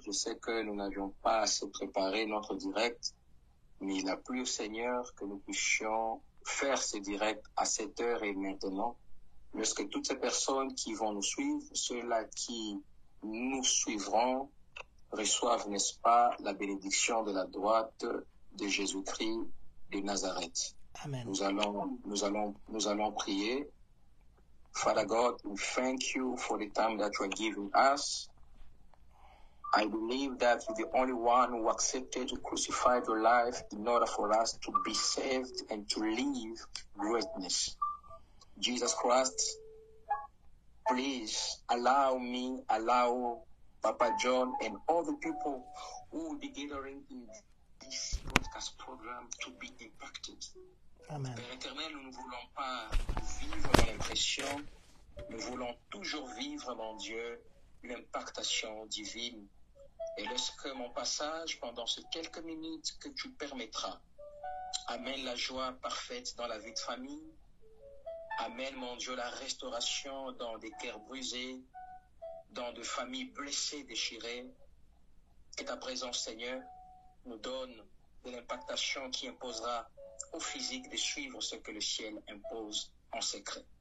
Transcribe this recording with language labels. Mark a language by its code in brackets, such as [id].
[fr] Je sais que nous n'avions pas assez préparé notre direct, mais il a plu au Seigneur que nous puissions faire ce direct à cette heure et maintenant. Lorsque toutes ces personnes qui vont nous suivre, ceux-là qui nous suivrons, reçoivent, n'est-ce pas, la bénédiction de la droite de Jésus-Christ de Nazareth. Amen. Nous allons prier. [en] Father God, we thank you for the time that you are giving us. I believe that you're the only one who accepted to crucify your life in order for us to be saved and to live greatness. Jesus Christ, please allow me, allow Papa John and all the people who will be gathering in this broadcast program to be impacted. Amen. [fr] Père éternel, nous ne voulons pas vivre dans l'impression, nous voulons toujours vivre, mon Dieu, l'impactation divine. Et lorsque mon passage, pendant ces quelques minutes que tu permettras, amène la joie parfaite dans la vie de famille, amène, mon Dieu, la restauration dans des cœurs brisés, dans des familles blessées, déchirées, que ta présence, Seigneur, nous donne de l'impactation qui imposera au physique de suivre ce que le ciel impose en secret.